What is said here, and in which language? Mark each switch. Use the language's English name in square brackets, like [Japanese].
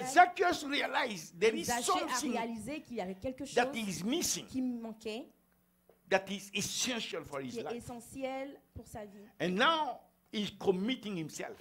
[English] But Zacchaeus realized there is something [French] a réalisé qu'il y avait quelque chose qui manquait. [English] That is essential for his [French] qui est [English] life. [French] Essentiel pour sa vie. [English] And now he's committing himself.